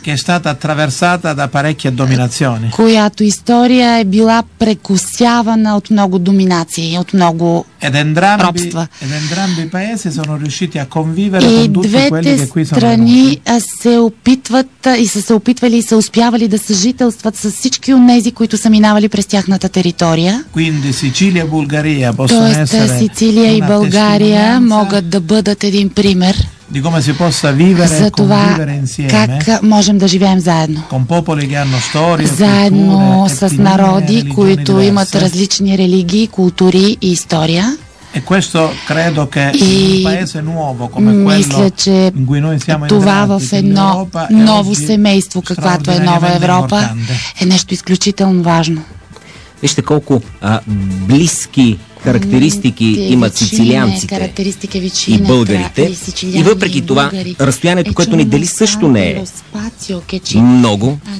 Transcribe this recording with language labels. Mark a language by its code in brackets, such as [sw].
[it] che è stata attraversata da parecchie dominazioni. [bg] Която история е била прекусявана от много доминации, от много робства. [it] Ed entrambi i paesi sono riusciti a convivere con tutti quelli che qui sono venuti. [bg] Се опитват и са се опитвали и са успявали да съжителстват с всички онези, които са минали през тяхната територия. [it] Quindi Sicilia e Bulgaria possono essere. [bg] Тоест Сицилия и България могат да бъдат един пример. [it] Di come si possa vivere, [bg] за това [it] insieme, [bg] как можем да живеем заедно. [it] Con popoli che hanno storia, [bg] заедно [it] culture, [bg] с народи, които имат различни религии, култури и история. [it] E questo credo che in un paese nuovo come quello in cui noi siamo entrati, in Europa, [bg] ново семейство, каквато е нова Европа, е нещо изключително важно. Вижте колко близки характеристики имат сицилианците и българите. И въпреки това, разстоянието, което ни дели, също не е много.